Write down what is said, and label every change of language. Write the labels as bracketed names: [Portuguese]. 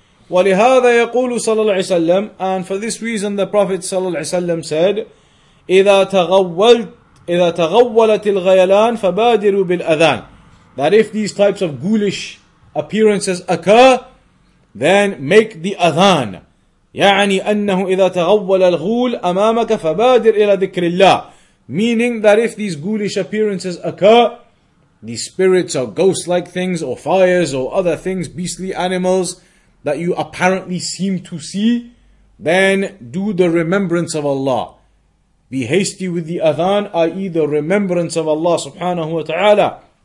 [Arabic] ولهذا يقول صلى الله عليه وسلم, [English] and for this reason the Prophet [Arabic] صلى الله عليه وسلم said, إذا تغولت الغيلان فبادروا بالأذان. [English] That if these types of ghoulish appearances occur, then make the أذان. [Arabic] يعني أنه إذا تغول الغول أمامك فبادر إلى ذكر الله. [English] Meaning that if these ghoulish appearances occur, these spirits or ghost-like things or fires or other things, beastly animals that you apparently seem to see, then do the remembrance of Allah. Be hasty with the adhan, i.e. the remembrance of Allah subhanahu wa ta'ala.